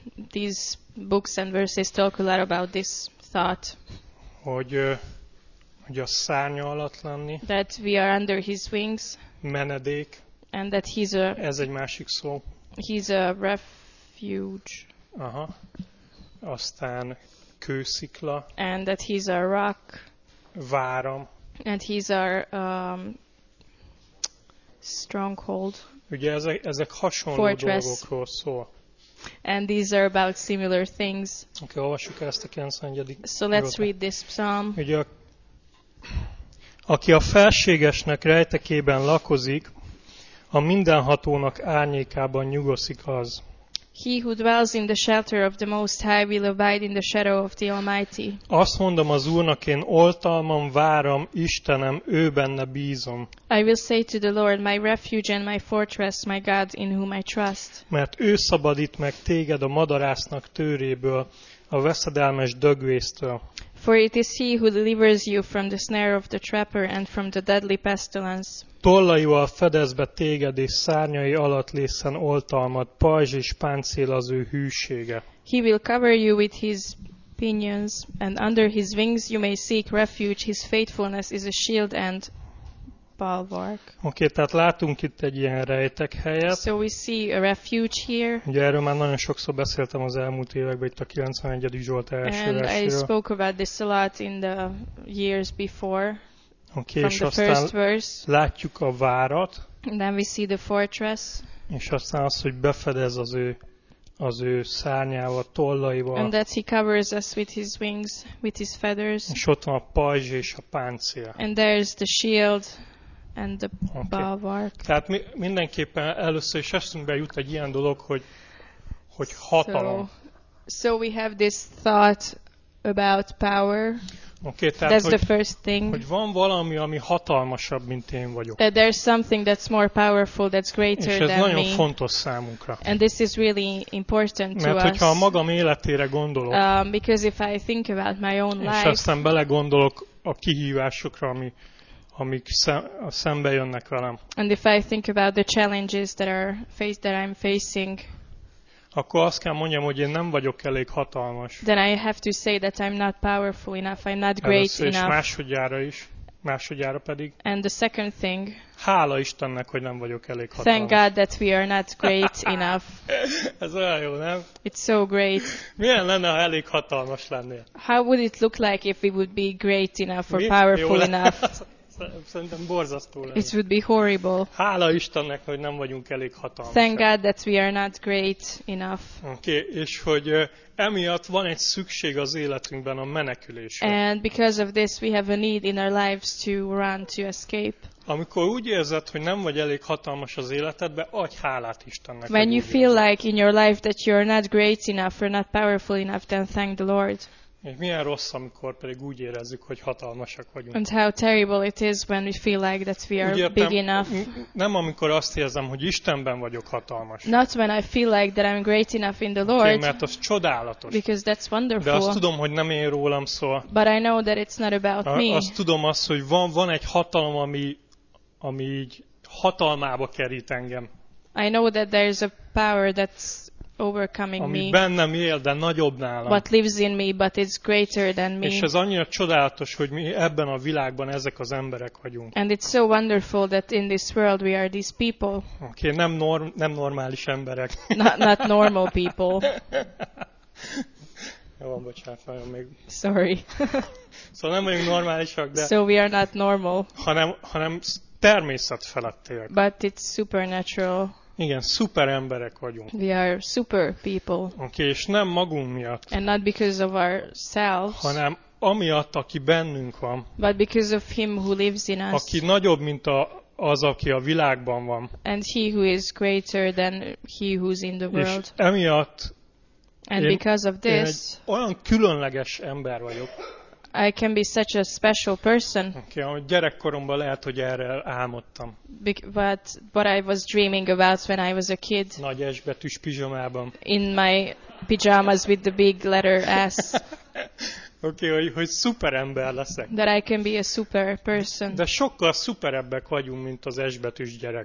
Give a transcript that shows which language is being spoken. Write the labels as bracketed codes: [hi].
[en] These books and verses talk a lot about this thought. [hu] Hogy a szárnya alatt lenni. [en] That we are under his wings. [hu] Menedék. [en] And that he's a. [hu] Ez egy másik szó. [en] He's a refuge. [hu] Aha. Aztán kőszikla. [en] And that he's a rock. [hu] Várom. [en] And he's a stronghold. [hu] Ugye ezek hasonló [en] fortress. [hu] Dolgokról szól. [en] And these are about similar things. [hu] Okay, olvassuk ezt a 91. [en] So let's read this psalm. [hu] Ugye, aki a felségesnek rejtekében lakozik, a mindenhatónak árnyékában nyugoszik az. [en] He who dwells in the shelter of the Most High will abide in the shadow of the Almighty. [hu] Azt mondom az Úrnak, én oltalmam, várom, Istenem, ő benne bízom. [en] I will say to the Lord, my refuge and my fortress, my God, in whom I trust. [hu] Mert ő szabadít meg téged a madarásznak tőréből, a veszedelmes dögvésztől. [en] For it is he who delivers you from the snare of the trapper and from the deadly pestilence. [hu] Tollaival fedez be téged, és szárnyai alatt lészen oltalmad, pajzs és páncél az ő hűsége. [en] He will cover you with his pinions, and under his wings you may seek refuge. His faithfulness is a shield and bulwark. [hu] Oké, tehát látunk itt egy ilyen rejtek helyet. [en] So we see a refuge here. [hu] Ugye erről már nagyon sokszor beszéltem az elmúlt években, itt a 91. Zsolt első versről. [en] And I spoke about this a lot in the years before. [hu] Okay, és aztán látjuk a várat. [en] And then we see the fortress. [hu] És aztán az, hogy befedez az ő szárnyával, tollaival. [en] And that he covers us with his wings, with his feathers. [hu] És ott van a pajzs és a páncél. [en] And there's the shield and the bulwark. Okay. [hu] Tehát mindenképpen először is eszünkbe jut egy ilyen dolog, hogy hatalom. [en] So we have this thought about power. [hu] Okay, tehát, [en] that's the first thing. [hu] Hogy van valami, ami hatalmasabb, mint én vagyok. [en] That there's something that's more powerful, that's greater than me. [hu] És ez nagyon fontos számunkra. [en] And this is really important to us. [hu] Mert hogyha a magam életére gondolok, [en] because if I think about my own life, [hu] és aztán belegondolok a kihívásokra, amik szembe jönnek velem, [en] and if I think about the challenges that I'm facing, [hu] akkor azt kell mondjam, hogy én nem vagyok elég hatalmas. [en] Then I have to say that I'm not powerful enough, I'm not great [hu] először [en] enough. [hu] És másodjára is, másodjára pedig. [en] And the second thing. [hu] Hála Istennek, hogy nem vagyok elég hatalmas. [en] Thank God that we are not great enough. [hu] Ez olyan jó, nem? [en] It's so great. [hu] Milyen lenne, ha elég hatalmas lennél? [en] How would it look like if we would be great enough or powerful enough? [hu] Szerintem borzasztó lenne. [en] It would be horrible. [hu] Hála Istennek, hogy nem vagyunk elég hatalmasak. [en] Thank God that we are not great enough. [hu] Oké, és hogy emiatt van egy szükség az életünkben a menekülésre. [en] And because of this we have a need in our lives to run, to escape. [hu] Amikor úgy érzed, hogy nem vagy elég hatalmas az életedbe, adj hálát Istennek. [en] When you feel like in your life that you are not great enough or not powerful enough, then thank the Lord. [hu] És milyen rossz, amikor pedig úgy érezzük, hogy hatalmasak vagyunk. [en] And how terrible it is when we feel like that we are big enough. [hu] Nem amikor azt érzem, hogy Istenben vagyok hatalmas. [en] Not when I feel like that I'm great enough in the Lord. [hu] Okay, mert az csodálatos. [en] Because that's wonderful. [hu] De azt tudom, hogy nem én rólam szól. [en] But I know that it's not about me. [hu] Azt tudom azt, hogy van egy hatalom, ami így hatalmába kerít engem. [en] I know that there is a power that's overcoming [hu] ami Ami bennem él, de nagyobb nálam. [en] What lives in me, but it's greater than me. [hu] És ez annyira csodálatos, hogy mi ebben a világban ezek az emberek vagyunk. [en] And it's so wonderful that in this world we are these people. [hu] Okay, nem normális emberek. [en] Not normal people. [hu] Jó, van, bocsánat, nagyon még. [en] Sorry. [hu] Szóval nem vagyunk normálisak, de. [en] So we are not normal. [hu] Hanem természet felettiek. [en] But it's supernatural. [hu] Igen, szuper emberek vagyunk. [en] We are super people. [hu] Okay, és nem magunk miatt. [en] And not because of ourselves. [hu] Hanem amiatt, aki bennünk van. [en] But because of him who lives in us. [hu] Aki nagyobb, mint az, aki a világban van. [en] And he who is greater than he who's in the world. [hu] És emiatt. [en] And because of this. [hu] Én egy olyan különleges ember vagyok. [en] I can be such a special person. [hu] Okay, a gyerekkoromban lehet, hogy erre álmodtam. [en] But I was dreaming about when I was a kid. [hu] Nagy S betűs pizsamában. [en] In my pajamas with the big letter S. [hu] Okay, hogy szuper ember leszek. [en] That I can be a super person. [hu] De sokkal szuperebbek vagyunk, mint az S betűs gyerek.